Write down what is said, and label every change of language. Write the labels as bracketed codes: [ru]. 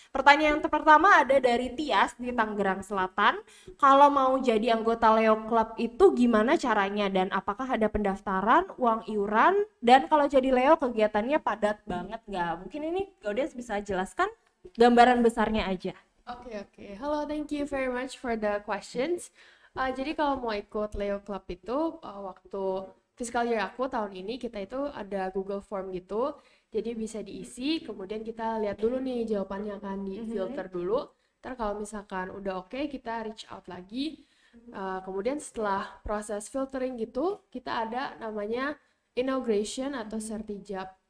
[id] Pertanyaan yang pertama ada dari Tias di Tangerang Selatan. Kalau mau jadi anggota Leo Club itu gimana caranya dan apakah ada pendaftaran, uang iuran, dan kalau jadi Leo kegiatannya padat banget nggak? Mungkin ini Godes bisa jelaskan gambaran besarnya aja. Oke. [en] Hello, thank you very much for the questions. [id] Jadi kalau mau ikut Leo Club itu waktu fiscal year aku tahun ini kita itu ada Google Form gitu, jadi bisa diisi, kemudian kita lihat dulu nih jawabannya akan di filter dulu. Ntar kalau misalkan udah oke, okay, kita reach out lagi. Kemudian setelah proses filtering gitu, kita ada namanya inauguration atau sertijab.